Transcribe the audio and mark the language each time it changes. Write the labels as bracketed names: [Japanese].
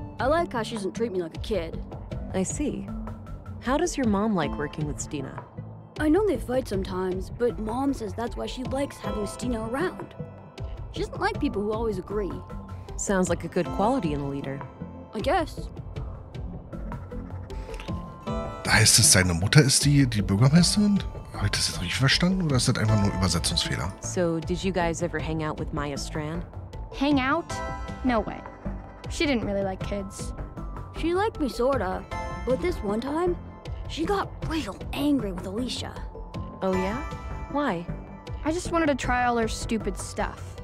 [English] I like how she doesn't treat me like a kid. I see. How does your mom like working with Stina? I know they fight sometimes, but Mom says that's why she likes having Stina around. She doesn't like people who always agree. Sounds like a good quality in a leader. I guess. [German] Da heißt es, seine Mutter ist die Bürgermeisterin? Habe ich das jetzt richtig verstanden oder ist das einfach nur Übersetzungsfehler? [English] So, did you guys ever hang out with Maya Strand? Hang out? No way. She didn't really like kids. She liked me, sorta. But this one time, she got real angry with Alicia. Oh yeah? Why? I just wanted to try all her stupid stuff.